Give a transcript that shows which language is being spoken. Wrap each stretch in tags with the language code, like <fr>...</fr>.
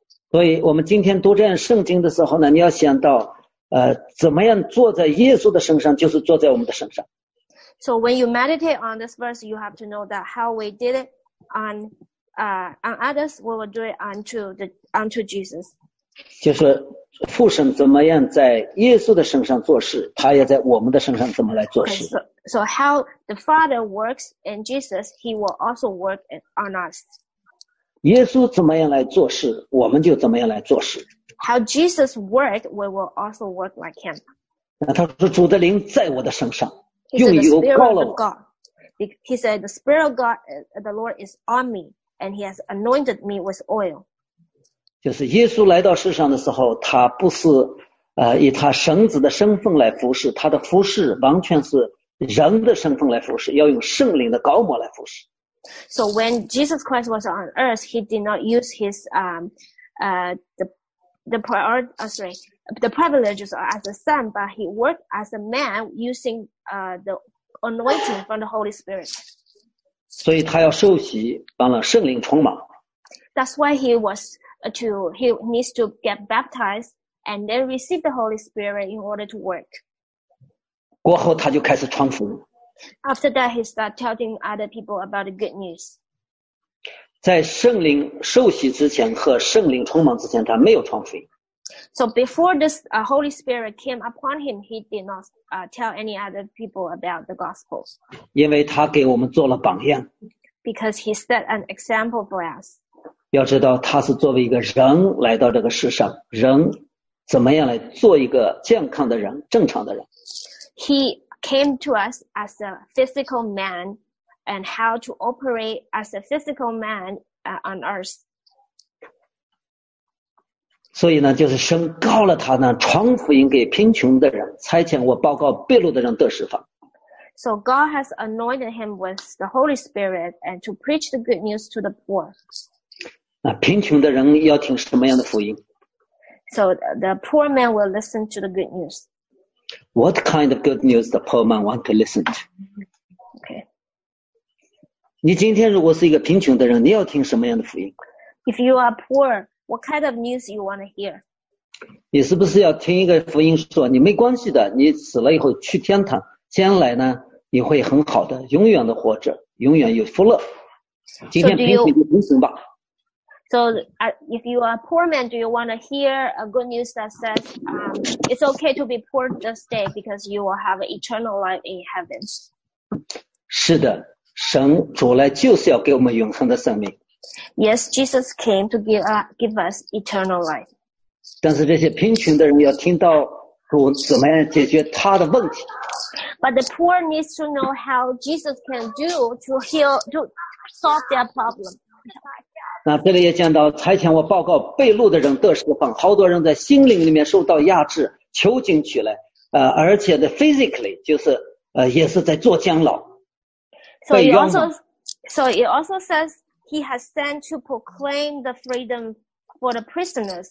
<zh>所以我们今天读这样圣经的时候呢，你要想到，怎么样坐在耶稣的身上，就是坐在我们的身上。</zh> <en>So when you meditate on this verse, you have to know that how we did it on others, we will do it unto Jesus.</en> <zh>就是父神怎么样在耶稣的身上做事，他也在我们的身上怎么来做事。</zh> <en>Okay, so how the Father works in Jesus, he will also work on us.</en> <zh>耶稣怎么样来做事，我们就怎么样来做事。</zh> <en>How Jesus worked, we will also work like him.</en> <zh>他说主的灵在我的身上，用油膏了我。</zh> <en>He said the Spirit of God, the Lord is on me, and he has anointed me with oil.</en> <zh>就是耶稣来到世上的时候，他不是以他神子的身份来服侍，他的服侍完全是人的身份来服侍，要用圣灵的膏抹来服侍。</zh> <en>So when Jesus Christ was on earth, he did not use his the privileges as a son, but he worked as a man using the anointing from the Holy Spirit.</en> <zh>所以他要受洗，完了圣灵充满。</zh> <en>That's why he was he needs to get baptized and then receive the Holy Spirit in order to work.</en> <zh>过后他就开始传福音。</zh> <en>After that, he started telling other people about the good news.</en> <zh>在圣灵受洗之前和圣灵充满之前，他没有传福音。</zh> <en>So before this Holy Spirit came upon him, he did not tell any other people about the gospel.</en> <zh>因为他给我们做了榜样。</zh> <en>Because he set an example for us.</en> <zh>要知道他是作为一个人来到这个世上，人怎么样来做一个健康的人，正常的人。</zh> <en>He came to us as a physical man and how to operate as a physical man on earth.</en> <zh>所以呢，就是神高了他呢，传福音给贫穷的人，差遣我报告被掳的人得释放。</zh> <en>So God has anointed him with the Holy Spirit and to preach the good news to the poor.</en> <zh>那贫穷的人要听什么样的福音？</zh> <en>So the poor man will listen to the good news. What kind of good news the poor man want to listen to? Okay.</en> <zh>你今天如果是一个贫穷的人，你要听什么样的福音？</zh> <en>If you are poor, what kind of news you want to hear?</en> <zh>你是不是要听一个福音说，你没关系的，你死了以后去天堂。将来呢，你会很好的，永远的活着，永远有福乐。今天贫穷就贫穷吧。</zh> <en>So if you are a poor man, do you want to hear a good news that says, it's okay to be poor this day because you will have eternal life in heaven?</en> <zh>是的，神主来就是要给我们永恒的生命。</zh> <en>Yes, Jesus came to give us eternal life.</en> <zh>但是这些贫穷的人要听到主怎么样解决他的问题。</zh> <en>But the poor needs to know how Jesus can do to solve their problem.</en> <zh>那这里也讲到差遣我报告被掳的人得释放，好多人在心灵里面受到压制，囚禁起来，而且的 physically 就是也是在坐监牢。</zh> <en>So it also says he has sent to proclaim the freedom for the prisoners.</en>